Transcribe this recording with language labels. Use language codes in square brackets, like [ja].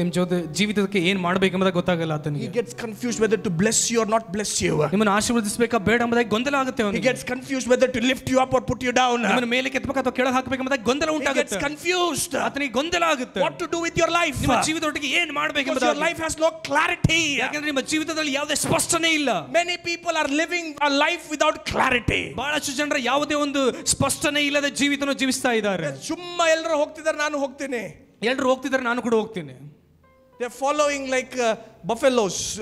[kn] ನಿಮ್ಮ ಜೊತೆ ಜೀವಿತಕ್ಕೆ ಏನು ಮಾಡಬೇಕು ಅಂತ ಗೊತ್ತಾಗಲ್ಲ ಆತನಿಗೆ. [en] He gets confused whether to bless you or not bless you. [kn] ನಿಮ್ಮನ್ನು ಆಶೀರ್ವದಿಸಬೇಕಾ ಬೇಡ ಅಂತ ಗೊಂದಲ ಆಗುತ್ತೆ ಅವನಿಗೆ. [en] He gets confused whether to lift you up or put you down. [kn] ನಿಮ್ಮನ್ನು ಮೇಲಕ್ಕೆ ಎತ್ತಬೇಕು ಅಥವಾ ಕೆಳಗೆ ಹಾಕಬೇಕು ಅಂತ ಗೊಂದಲ ಉಂಟಾಗುತ್ತೆ. [en] He gets confused. [kn] ಆತನಿಗೆ ಗೊಂದಲ ಆಗುತ್ತೆ. [en] What to do with your life? [kn] ನಿಮ್ಮ ಜೀವಿತದೊಟ್ಟಿಗೆ ಏನು ಮಾಡಬೇಕು ಅಂತ. [en] Your life has no clarity. [kn] ಯಾಕೆಂದ್ರೆ ನಿಮ್ಮ ಜೀವಿತದಲ್ಲಿ ಯಾವುದೇ ಸ್ಪಷ್ಟನೆ ಇಲ್ಲ. [en] Many people are living a life without clarity. [kn] ಬಹಳಷ್ಟು ಜನರು ಯಾವುದೇ ಒಂದು ಸ್ಪಷ್ಟನೆ ಇಲ್ಲದ ಜೀವಿತನ ಜೀವಿಸ್ತಾ ಇದ್ದಾರೆ. ಸುಮ್ಮನೆ ಎಲ್ಲರೂ ಹೋಗ್ತಿದ್ದಾರೆ, ನಾನು ಹೋಗ್ತೇನೆ. ಎಲ್ಲರೂ ಹೋಗ್ತಿದ್ದಾರೆ, ನಾನು ಕೂಡ ಹೋಗ್ತೇನೆ. [en] They are following like buffaloes.